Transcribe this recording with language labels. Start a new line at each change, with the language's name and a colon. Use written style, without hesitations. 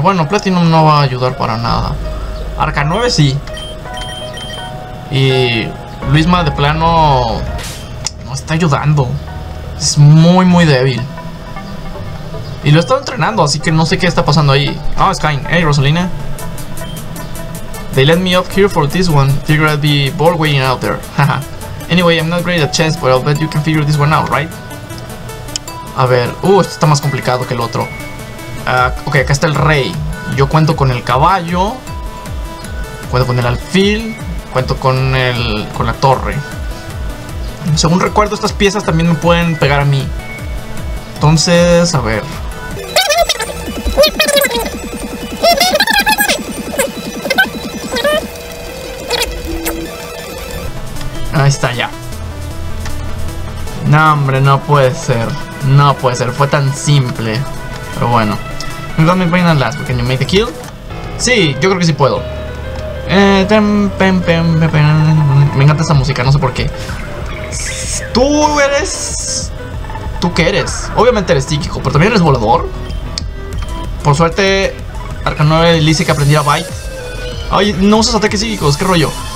Spanish: Bueno, Platinum no va a ayudar para nada. Arca 9 sí. Y Luisma de plano no está ayudando. Es muy, muy débil. Y lo he estado entrenando, así que no sé qué está pasando ahí. Ah, oh, Skye. Hey, Rosalina.
English: They let me up here for this one. Figure I'd be bored waiting out there. Anyway, I'm not great at chess, but I'll bet you can figure this one out, right?
Spanish: A ver. Esto está más complicado que el otro. Ok, acá está el rey. Yo cuento con el caballo. Cuento con el alfil. Cuento con la torre. Según recuerdo, estas piezas también me pueden pegar a mí. Entonces, a ver. Ahí está, ya. No, hombre, no puede ser. No puede ser, fue tan simple. Pero bueno.
English: Let me bring that last, can you make the kill?
Spanish: Sí, yo creo que sí puedo. Me encanta esa música, no sé por qué. Tú eres... ¿Tú qué eres? Obviamente eres psíquico, pero también eres volador. Por suerte, Arcanoe dice que aprendí a Bite. Ay, no usas ataques psíquicos, qué rollo.